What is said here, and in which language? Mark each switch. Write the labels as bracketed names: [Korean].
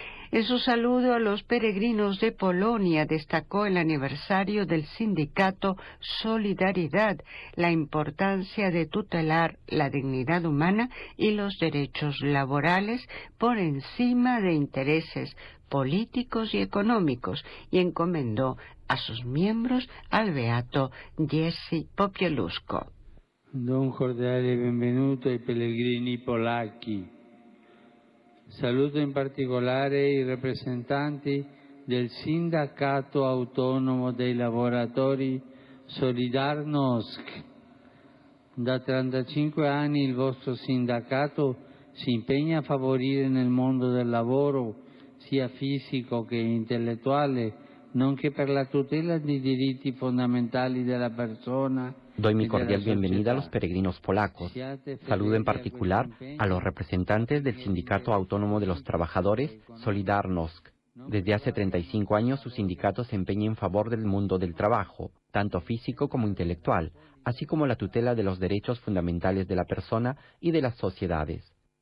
[Spanish] En su saludo a los peregrinos de Polonia destacó el aniversario del sindicato Solidaridad, la importancia de tutelar la dignidad humana y los derechos laborales por encima de intereses políticos y económicos, y encomendó a sus miembros al beato Jerzy Popielusko. [Italian] Don cordiale benvenuto ai pellegrini polacchi. Saluto in particolare i rappresentanti del Sindacato Autonomo dei Lavoratori Solidarnosc. Da 35 anni il vostro sindacato si impegna a favorire nel mondo del lavoro, sia fisico che intellettuale, nonché per la tutela dei diritti fondamentali della persona. [Spanish] Doy mi cordial bienvenida a los peregrinos polacos. Saludo en particular a los representantes del Sindicato Autónomo de los Trabajadores, Solidarnosc. Desde hace 35 años su sindicato se empeña en favor del mundo del trabajo, tanto físico como intelectual, así como la tutela de los derechos fundamentales de la persona y de las sociedades.